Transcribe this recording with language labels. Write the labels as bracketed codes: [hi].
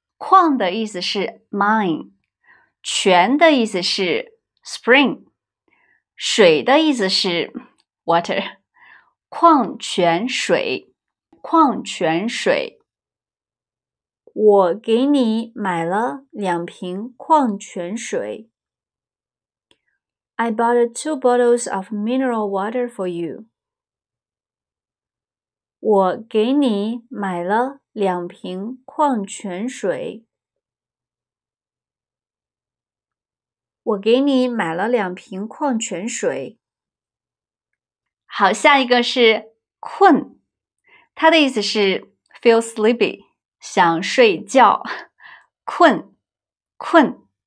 [zh] 矿的意思是 mine. 泉的意思是 spring. 水的意思是water, 矿泉水，矿泉水。我给你买了两瓶矿泉水。 [en] I bought two bottles of mineral water for you. [zh] 我给你买了两瓶矿泉水。我给你买了两瓶矿泉水。好，下一个是困，它的意思是 feel sleepy, 想睡觉，困，困。